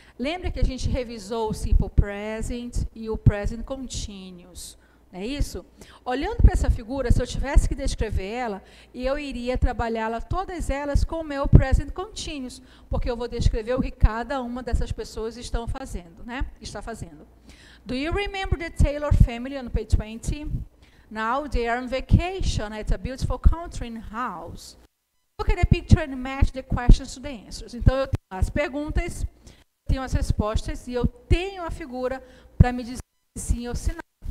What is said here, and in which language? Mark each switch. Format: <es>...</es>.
<pt>Lembra que a gente revisou o simple present e o present continuous? É isso? Olhando para essa figura, se eu tivesse que descrever ela, eu iria trabalhá-la, todas elas, com o meu present continuous, porque eu vou descrever o que cada uma dessas pessoas estão fazendo, né? Está fazendo.</pt> <en>Do you remember the Taylor family on page 20? Now they are on vacation at a beautiful country house. Look at the picture and match the questions to the answers.</en> <pt>Então, eu tenho as perguntas, tenho as respostas e eu tenho a figura para me dizer sim ou se não.</pt>